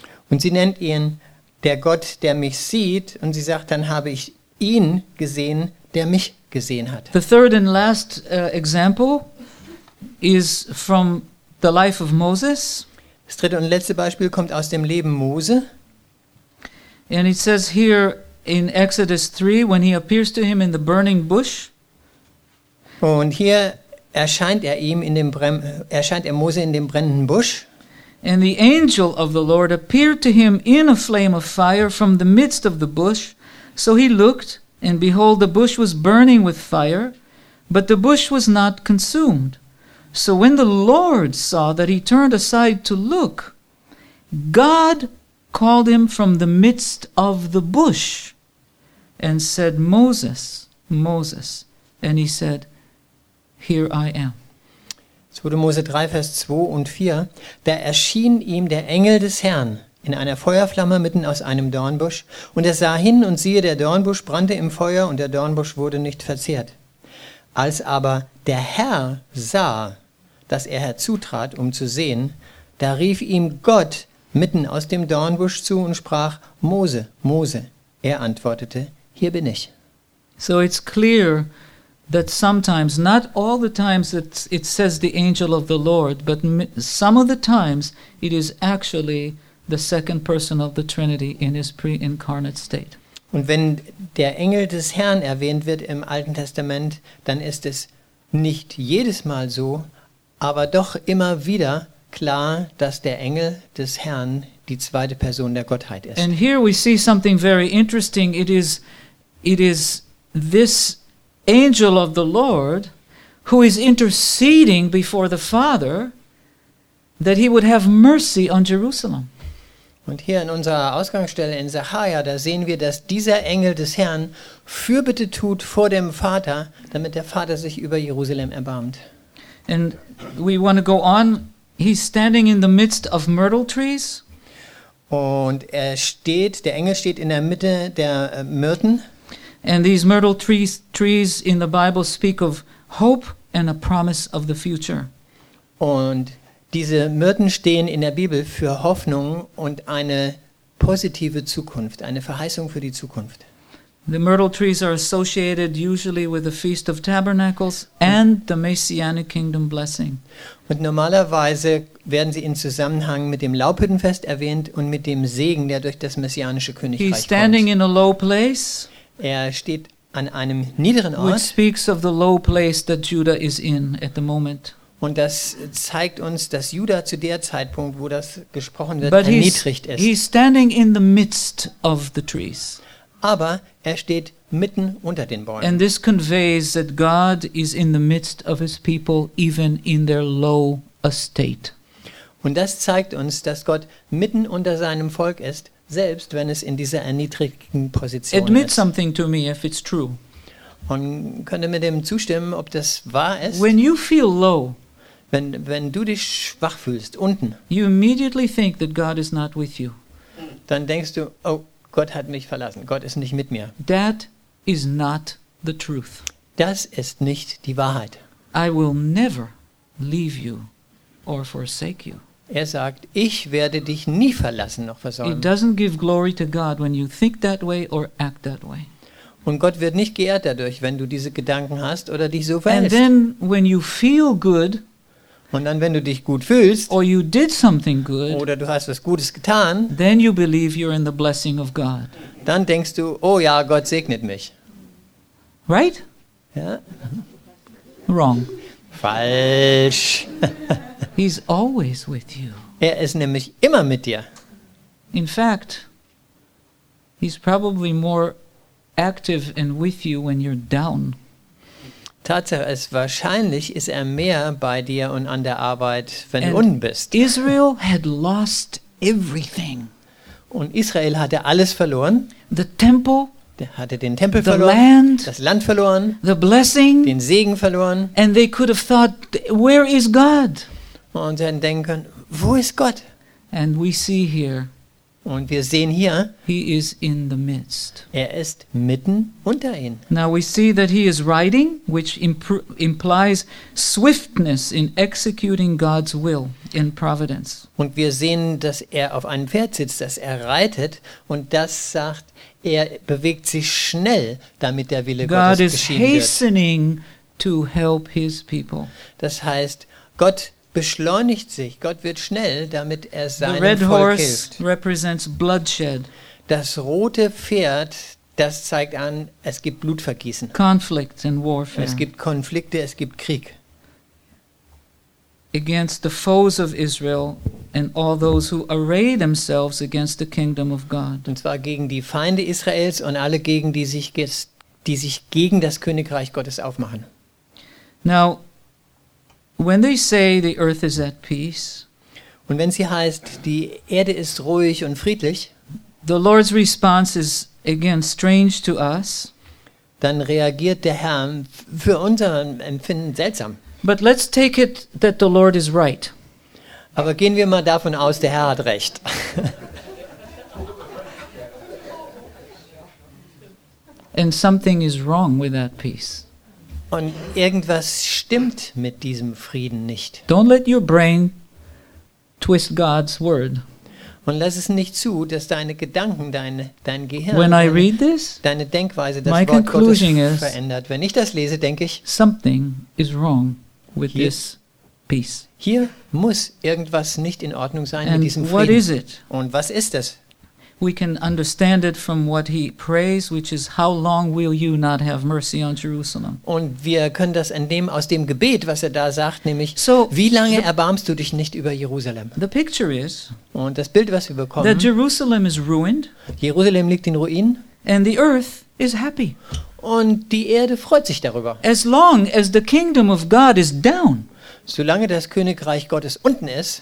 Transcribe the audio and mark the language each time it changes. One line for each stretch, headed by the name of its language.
German: Und sie nennt ihn der Gott, der mich sieht, und sie sagt, dann habe ich ihn gesehen, der mich gesehen hat.
English: The third and last example is from the life of Moses.
German: Das dritte und letzte Beispiel kommt aus dem Leben Mose.
English: And it says here in Exodus 3, when he appears to him in the burning bush.
German: Und hier erscheint er ihm in dem Mose in dem brennenden Busch.
English: And the angel of the Lord appeared to him in a flame of fire from the midst of the bush. So he looked, and behold, the bush was burning with fire, but the bush was not consumed. So when the Lord saw that he turned aside to look, God called him from the midst of the bush and said, Moses, Moses. And he said, here I am.
German: 2. Mose 3, Vers 2 und 4, da erschien ihm der Engel des Herrn in einer Feuerflamme mitten aus einem Dornbusch. Und er sah hin und siehe, der Dornbusch brannte im Feuer und der Dornbusch wurde nicht verzehrt. Als aber der Herr sah, dass er herzutrat, um zu sehen, da rief ihm Gott mitten aus dem Dornbusch zu und sprach: Mose, Mose. Er antwortete: Hier bin ich.
English: So it's clear that sometimes, not all the times that it says the angel of the Lord, but some of the times it is actually the second person of the Trinity in his pre-incarnate state.
German: Und wenn der Engel des Herrn erwähnt wird im Alten Testament, dann ist es nicht jedes Mal so, aber doch immer wieder klar, dass der Engel des Herrn die zweite Person der Gottheit ist.
English: And here we see something very interesting. It is this angel of the Lord who is interceding before the Father that he would have mercy on Jerusalem.
German: Und hier in unserer Ausgangsstelle in Sacharja, da sehen wir, dass dieser Engel des Herrn Fürbitte tut vor dem Vater, damit der Vater sich über Jerusalem erbarmt.
English: And we want to go on. He's standing in the midst of myrtle trees.
German: Und der Engel steht in der Mitte der Myrten.
English: And these myrtle trees in the Bible speak of hope and a promise of the future.
German: Und diese Myrten stehen in der Bibel für Hoffnung und eine positive Zukunft, eine Verheißung für die Zukunft.
English: The myrtle trees are associated usually with the Feast of Tabernacles and the Messianic Kingdom blessing.
German: Und normalerweise werden sie in Zusammenhang mit dem Laubhüttenfest erwähnt und mit dem Segen, der durch das messianische Königreich kommt.
English: He's standing in a low place.
German: Er steht an einem niederen Ort.
English: Which speaks of the low place that Judah is in at the moment.
German: Und das zeigt uns, dass Judah zu der Zeitpunkt, wo das gesprochen wird, erniedrigt ist.
English: He's standing in the midst of the trees.
German: Aber er steht mitten unter den Bäumen.
English: And this conveys that God is in the midst of his people, even in their low estate.
German: Und das zeigt uns, dass Gott mitten unter seinem Volk ist, selbst wenn es in dieser erniedrigten Position ist.
English: Admit something to me if it's true.
German: Und könnte mir dem zustimmen, ob das wahr ist.
English: When you feel low,
German: wenn du dich schwach fühlst, unten,
English: you immediately think that God is not with you.
German: Dann denkst du, oh, Gott hat mich verlassen. Gott ist nicht mit mir.
English: That is not the truth.
German: Das ist nicht die Wahrheit.
English: I will never leave you or forsake you.
German: Er sagt, ich werde dich nie verlassen noch versäumen.
English: It doesn't give glory to God when you think that way or act that way.
German: Und Gott wird nicht geehrt dadurch, wenn du diese Gedanken hast oder dich so verhältst.
English: And then when you feel good,
German: und dann wenn du dich gut fühlst,
English: or you did something good,
German: oder du hast was Gutes getan,
English: then you believe you're in the blessing of God.
German: Dann denkst du, oh ja, Gott segnet mich.
English: Right?
German: Ja.
English: Wrong.
German: Falsch.
English: He's always with you.
German: Er ist nämlich immer mit dir.
English: In fact, he's probably more active and with you when you're down.
German: Tatsache ist, wahrscheinlich ist er mehr bei dir und an der Arbeit, wenn du unten bist.
English: Israel had lost everything.
German: Und Israel hatte alles verloren.
English: The temple.
German: Der hatte den Tempel
English: the
German: verloren,
English: land,
German: das Land verloren,
English: the blessing,
German: den Segen verloren.
English: And they could have thought, where is God?
German: Und sie hätten denken können, wo ist Gott?
English: And we see here,
German: und wir sehen hier,
English: he is in the midst.
German: Er ist mitten unter ihnen.
English: Now we see that he is riding, which implies swiftness in executing God's will in providence.
German: Und wir sehen, dass er auf einem Pferd sitzt, dass er reitet, und das sagt, er bewegt sich schnell, damit der Wille
English: God
German: Gottes geschehen
English: is hastening
German: wird.
English: To help his people.
German: Das heißt, Gott beschleunigt sich, Gott wird schnell, damit er seinem
English: the red
German: Volk
English: horse
German: hilft.
English: Represents bloodshed.
German: Das rote Pferd, das zeigt an, es gibt Blutvergießen.
English: Conflict and warfare.
German: Es gibt Konflikte, es gibt Krieg.
English: Against the foes of Israel and all those who array themselves against the kingdom of God.
German: Und zwar gegen die Feinde Israels und alle gegen die sich gegen das Königreich Gottes aufmachen.
English: Now, when they say the earth is at peace,
German: und wenn sie heißt, die Erde ist ruhig und friedlich,
English: the Lord's response is again strange to us.
German: Dann reagiert der Herr für unser Empfinden seltsam.
English: But let's take it that the Lord is right.
German: Aber gehen wir mal davon aus, der Herr hat recht.
English: And something is wrong with that peace.
German: Und irgendwas stimmt mit diesem Frieden nicht.
English: Don't let your brain twist God's word.
German: Und lass es nicht zu, dass deine Gedanken, dein Gehirn,
English: when I read this,
German: deine Denkweise, das Wort Gottes verändert. Wenn ich das lese, denke ich,
English: something is wrong with this peace.
German: Hier muss irgendwas nicht in Ordnung sein
English: and
German: mit diesem Frieden.
English: What is it?
German: Und was ist es?
English: We can understand it from what he prays, which is, how long will you not have mercy on Jerusalem?
German: Und wir können das aus dem Gebet, was da sagt, nämlich, so, wie lange erbarmst du dich nicht über Jerusalem?
English: The picture is,
German: und das Bild, was wir bekommen,
English: that Jerusalem is ruined,
German: Jerusalem liegt in Ruinen,
English: and the earth is happy.
German: Und die Erde freut sich darüber.
English: As long as the kingdom of God is down,
German: solange das Königreich Gottes unten ist,